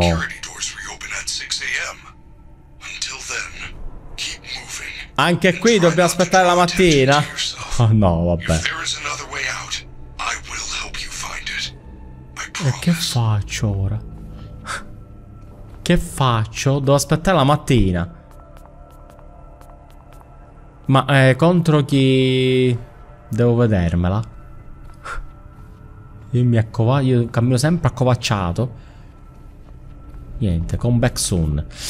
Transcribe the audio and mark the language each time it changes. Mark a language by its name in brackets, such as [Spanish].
[English] Security doors reopen at 6 a.m. Until then, keep moving. [Italian] Anche qui dobbiamo aspettare la mattina. Oh no, vabbè. [English] If there is another way out, I will help you find it. [Italian] E che faccio ora? Che faccio? Devo aspettare la mattina. Ma contro chi devo vedermela? Io mi accovaccio, io cammino sempre accovacciato. Niente, [English] come back soon.